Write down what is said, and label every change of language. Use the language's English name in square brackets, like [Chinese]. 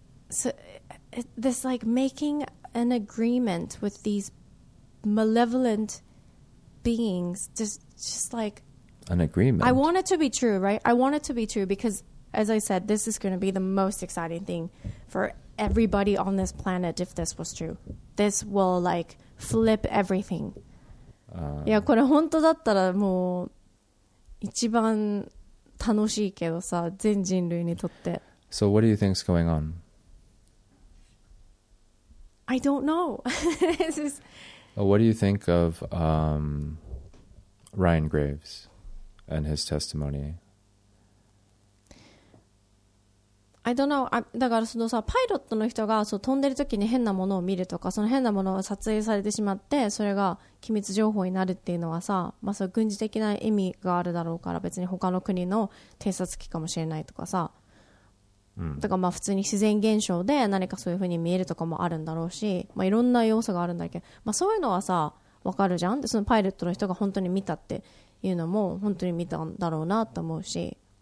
[English] So this like making an agreement with these malevolent beings, just like an agreement. I want it to be true, right? I want it to be true because, as I said, this is going to be the most exciting thing for everybody on this planet if this was true. This will like flip everything. [Japanese] Yeah, これ本当だったらもう一番楽しいけどさ、全人類にとって。 [English] So what do you think is going on? I don't know. This is... What do you think of Ryan Graves and his testimony? I don't know. [Japanese] だからそのさ、パイロットの人がそう飛んでる時に変なものを見るとか、その変なものが撮影されてしまって、それが機密情報になるっていうのはさ、まあ、そう軍事的な意味があるだろうから、別に他の国の偵察機かもしれないとかさ、だからまあ普通に自然現象で何かそういう風に見えるとかもあるんだろうし、まあ、いろんな要素があるんだけど、まあ、そういうのはさ分かるじゃん。でそのパイロットの人が本当に見たっていうのも本当に見たんだろうなと思うし、